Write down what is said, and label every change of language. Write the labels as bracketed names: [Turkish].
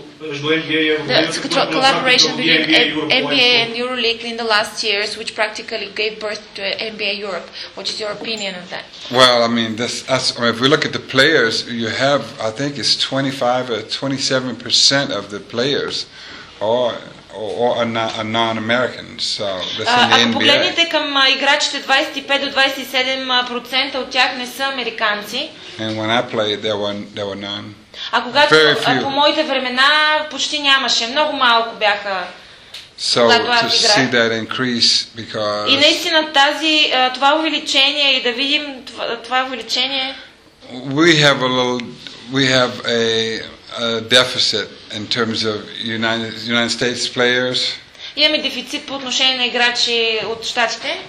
[English] The collaboration between NBA and EuroLeague in the last years, which practically gave birth to NBA Europe. What is your opinion of that? Well, I mean, if we look at the players, you have, I think it's 25 or 27% of the players are non-American, so that's in the NBA. [Bulgarian] Ако погледнете към играчите, 25-27% от тях не са американци. [English] And when I played, there were none. [Bulgarian] А когато по моите времена почти нямаше, много малко бяха. [English] So to see that increase because [Bulgarian] и наистина тази това увеличение и да видим това увеличение. [English] We have a deficit in terms of United States players. [Bulgarian] Имаме дефицит по отношение на играчи от щатите.